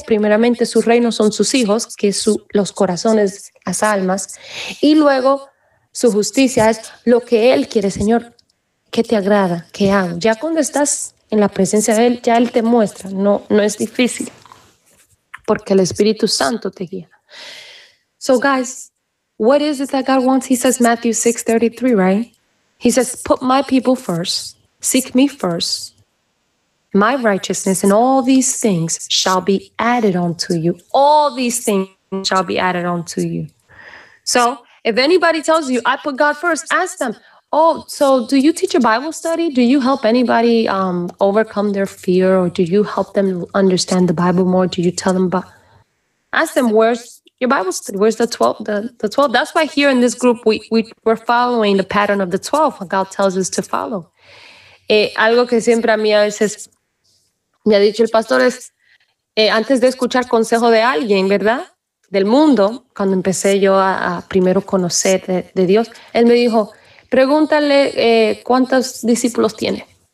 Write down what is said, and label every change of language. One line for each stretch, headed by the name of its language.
Spanish: Primeramente, su reino son sus hijos, que es los corazones, las almas. Y luego, su justicia es lo que Él quiere, Señor. ¿Qué te agrada? ¿Qué hago? Ya cuando estás en la presencia de Él, ya Él te muestra. No es difícil, porque el Espíritu Santo te guía.
English: So guys, what is it that God wants? He says Matthew 6:33, right? He says, put my people first, seek me first, my righteousness, and all these things shall be added unto you. All these things shall be added unto you. So if anybody tells you, I put God first, ask them, oh, so do you teach a Bible study? Do you help anybody overcome their fear? Or do you help them understand the Bible more? Do you tell them about? Ask them, where's your Bible study? Where's the 12? That's why here in this group, we're following the pattern of the 12, what God tells us to follow.
Spanish: Algo que siempre a mí a veces me ha dicho el pastor es, antes de escuchar consejo de alguien, ¿verdad? Del mundo, cuando empecé yo a primero conocer de Dios, él me dijo, pregúntale cuántos discípulos tiene.